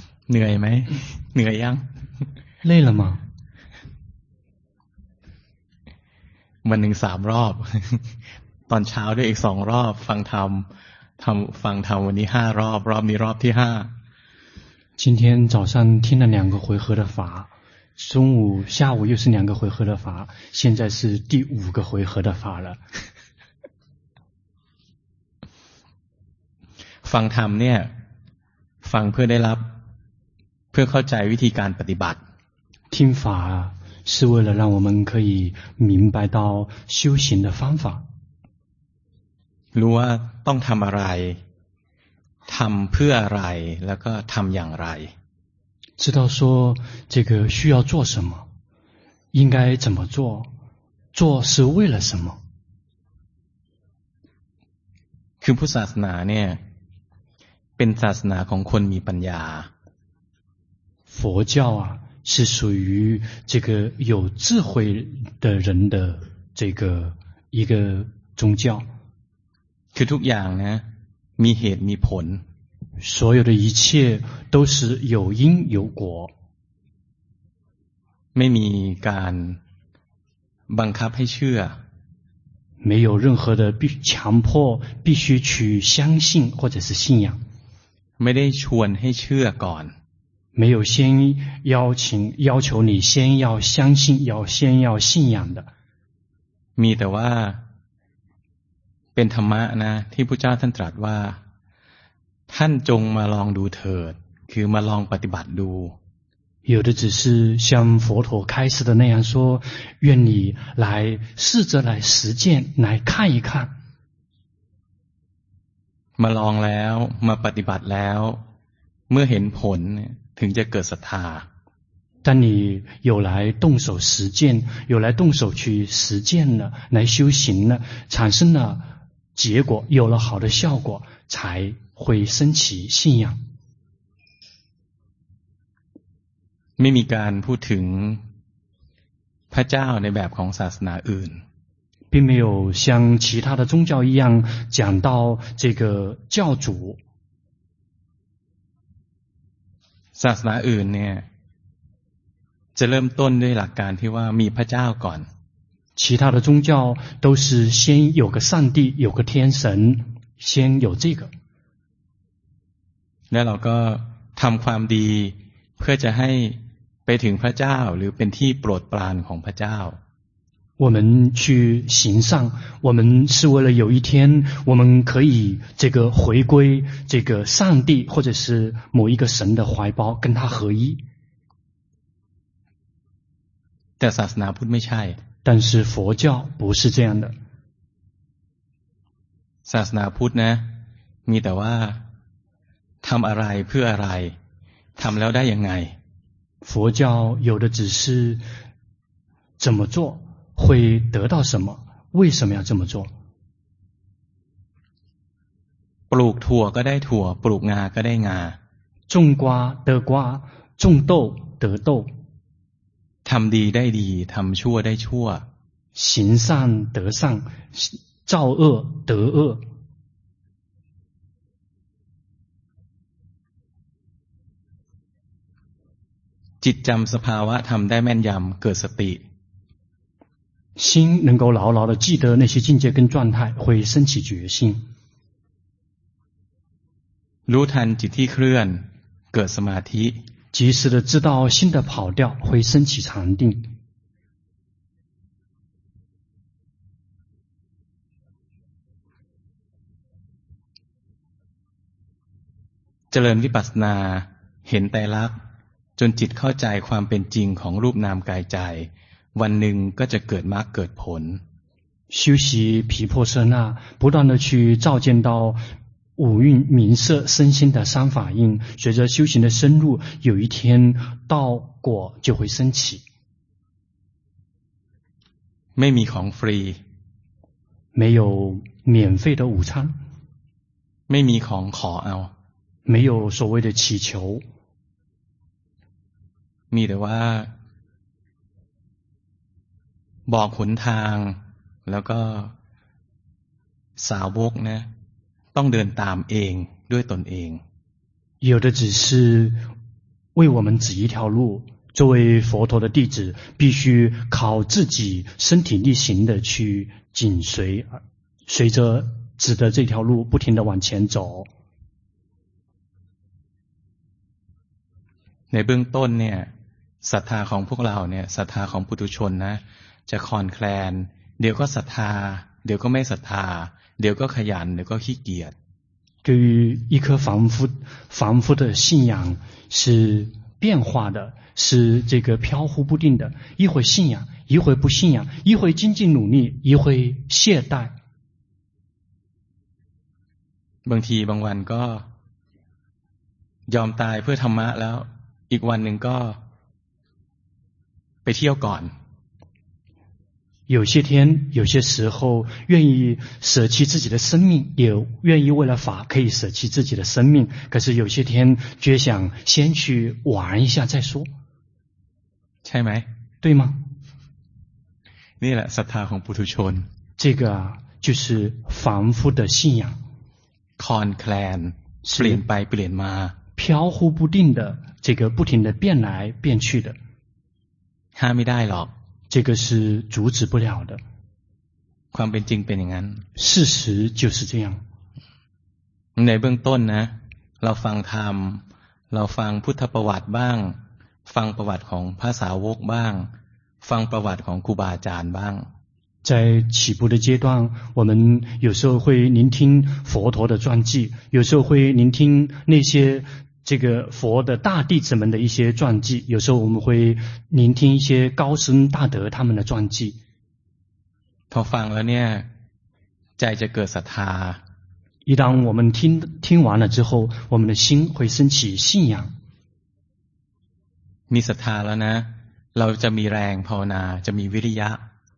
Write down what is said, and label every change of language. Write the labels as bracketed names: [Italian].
[Thai] เหนื่อยไหมเหนื่อยยัง [Chinese] 累了吗 [Thai] วันหนึ่งสามรอบตอนเช้าด้วยอีกสองรอบฟังธรรมฟังธรรมวันนี้ห้ารอบรอบนี้รอบที่ห้า [Chinese] 今天早上听了两个回合的法，中午、下午又是两个回合的法，现在是第五个回合的法了。 [Thai] ฟังธรรมเนี่ย，ฟังเพื่อได้รับ，เพื่อเข้าใจวิธีการปฏิบัติ。 [Chinese] 听法是为了让我们可以明白到修行的方法。 [Thai] รู้ว่าต้องทำอะไรทำเพื่ออะไรแล้วก็ทำอย่างไร [Chinese] 知道说这个需要做什么应该怎么做做是为了什么 [Thai] คือพุทธศาสนาเนี่ยเป็นศาสนาของคนมีปัญญา [Chinese] 佛教啊是属于这个有智慧的人的这个一个宗教 [Thai] คือทุกอย่างนะมีเหตุมีผล [Chinese] 所有的一切都是有因有果 [Thai] ไม่มีการบังคับให้เชื่อ [Chinese] 没有任何的必强迫必须去相信或者是信仰 [Thai] ไม่ได้ชวนให้เชื่อก่อน [Chinese] 没有先邀请要求你先要相信要先要信仰的 [Thai] มีแต่ว่าเป็นธรรมะนะที่พุทธเจ้าท่านตรัสว่าท่านจงมาลองดูเถิดคือมาลองปฏิบัติดู [Chinese] 有的只是像佛陀开示的那样说愿你来试着来实践来看一看 [Thai] มาลองแล้วมาปฏิบัติแล้วเมื่อเห็นผลถึงจะเกิดศรัทธา [Chinese] 当你有来动手实践有来动手去实践了来修行了产生了结果有了好的效果才会升起信仰 [Thai] ไม่มีการพูดถึงพระเจ้าในแบบของศาสนาอื่น [Chinese] 并没有像其他的宗教一样讲到这个教主 [Thai] ศาสนาอื่นเนี่ยจะเริ่มต้นด้วยหลักการที่ว่ามีพระเจ้าก่อน [Chinese] 其他的宗教都是先有个上帝有个天神先有这个 [Thai] แล้วเราก็ทำความดีเพื่อจะให้ไปถึงพระเจ้าหรือเป็นที่โปรดปรานของพระเจ้า [Chinese] 我们去行善我们是为了有一天我们可以这个回归这个上帝或者是某一个神的怀抱跟他合一 [Thai] แต่ศาสนาพุทธไม่ใช่ [Chinese] 但是佛教不是这样的 [Thai] ศาสนาพุทธนะมีแต่ว่าทำอะไรเพื่ออะไรทำแล้วได้ยังไง [Chinese] 佛教有的只是怎么做会得到什么为什么要这么做 [Thai] ปลูกถั่วก็ได้ถั่วปลูกงาก็ได้งา [Chinese] 种瓜得瓜种豆得豆 [Thai] ทำดีได้ดีทำชั่วได้ชั่ว [Chinese] 行善得善造恶得恶 [Thai] จิตจำสภาวะธรรมได้แม่นยำเกิดสติ [Chinese] 心能够牢牢地记得那些境界跟状态会升起决心 [Thai] รู้ทันจิตที่เคลื่อนเกิดสมาธิ [Chinese] 及时的知道心的跑掉会升起禅定 [Thai] เจริญวิปัสสนาเห็นไตรลักษณ์จนจิตเข้าใจความเป็นจริงของรูปนามกายใจวันหนึ่งก็จะเกิดมรรคเกิดผล [Chinese] 修习毗婆舍那不断地去照见到五蕴名色身心的三法印随着修行的深入有一天道果就会升起 [Thai] ไม่มีของฟรี [Chinese] 没有免费的午餐 [Thai] ไม่มีของขอเอา [Chinese] 没有所谓的祈求， [Thai] มีแต่ว่าบอกหนทางแล้วก็สาวกนะต้องเดินตามเองด้วยตนเอง [Chinese] 有的只是为我们指一条路，作为佛陀的弟子必须靠自己身体力行的去紧随，随着指的这条路不停地往前走。 [Thai] ในเบื้องต้นเนี่ยศรัทธาของพวกเราเนี่ยศรัทธาของปุถุชนนะจะคลอนแคลนเดี๋ยวก็ศรัทธาเดี๋ยวก็ไม่ศรัทธาเดี๋ยวก็ขยันเดี๋ยวก็ขี้เกียจ [Chinese] 对于一颗凡夫的信仰是变化的，是这个飘忽不定的，一会信仰，一会不信仰，一会精进努力，一会懈怠。 [Thai] บางทีบางวันก็ยอมตายเพื่อธรรมะแล้วอีกวันหนึ่งก็ไปเที่ยวก่อน [Chinese] 有些天有些时候愿意舍弃自己的生命，也愿意为了法可以舍弃自己的生命，可是有些天却想先去玩一下再说。 [Thai] ใช่ไหม？ [Chinese] 对吗？ [Thai] นี่แหละศรัทธาของปุถุชน [Chinese] 这个就是凡夫的信仰 [Thai] คลอนแคลนเปลี่ยนไปเปลี่ยนมา [Chinese] 飘忽不定的这个不停的变来变去的 [Thai] ห้ามไม่ได้หรอก [Chinese] 这个是阻止不了的 [Thai] ความเป็นจริงเป็นอย่างนั้น [Chinese] 事实就是这样 [Thai] ในเบื้องต้นนะเราฟังธรรมเราฟังพุทธประวัติบ้างฟังประวัติของพระสาวกบ้างฟังประวัติของครูบาอาจารย์บ้าง [Chinese] 在起步的阶段，我们有时候会聆听佛陀的传记，有时候会聆听那些这个佛的大弟子们的一些传记，有时候我们会聆听一些高僧大德他们的传记。 [Thai] พอฟังแล้วเนี่ยใจจะเกิดศรัทธา [Chinese] 一旦我们听完了之后，我们的心会升起信仰。 [Thai] มีศรัทธาแล้วนะเราจะมีแรงภาวนาจะมีวิริยะ